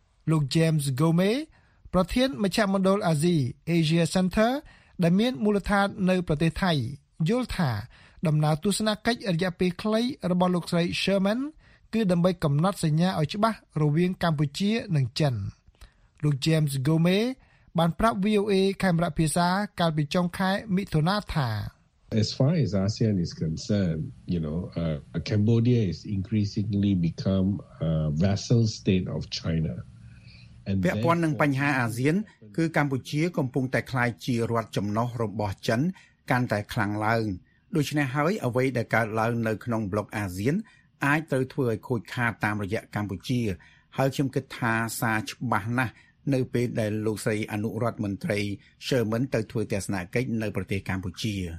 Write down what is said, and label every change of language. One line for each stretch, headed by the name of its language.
Khmer: លោក James Gomez ប្រធានមជ្ឈមណ្ឌលអាស៊ី Asia Center ដែលមានមូលដ្ឋាននៅប្រទេសថៃយល់ថាដំណើរទស្សនកិច្ចរយៈពេលខ្លីរបស់លោកស្រី Sherman គឺដើម្បីកំណត់សញ្ញាឲ្យច្បាស់រវាងកម្ពុជានិងចិនលោក James Gomez បានប្រាប់ VOA កាមេរ៉ាភាសាកាលពីចុងខែមិថុនាថា
English: As far as ASEAN is concerned, you know, Cambodia is increasingly become a vassal state of China.
Khmer: ពាក់ព័ន្ធនឹងបញ្ហាអាស៊ានគឺកម្ពុជាកំពុងតែក្លាយជារដ្ឋចំណុះរបស់ចិនកាន់តែខ្លាំងឡើងដូច្នេះហើយអ្វីដែលកើតឡើងនៅក្នុងប្លុកអាស៊ានអាចត្រូវធ្វើឲ្យខូចខាតតាមរយៈកម្ពុជាហើយខ្ញុំគិតថាសារច្បាស់ណាស់នៅពេលដែលលោកស្រីអនុរដ្ឋមន្ត្រី Sherman ទៅធ្វើទស្សនកិច្ចនៅប្រទេសកម្ពុជា